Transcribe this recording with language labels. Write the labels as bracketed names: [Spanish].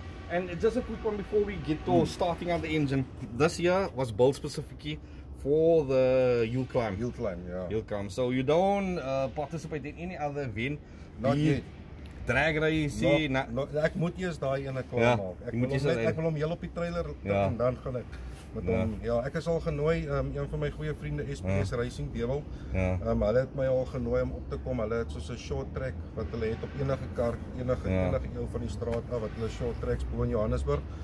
[English] And just a quick one before we get to starting on the engine. This year was built specifically for the hill climb. So you don't participate in any other event, not yet. Drag race, [Afrikaans] ek moet eers daai ene klaar maak. Ek wil hom heel op die trailer en dan gaan ek met hom. Ja, ek is al genooi, een van my goeie vriende SPS Racing Devil. Hulle het my al genooi om op te kom. Hulle het so 'n short track wat hulle het op enige kar, enige een van die straat af wat hulle short tracks bo in Johannesburg.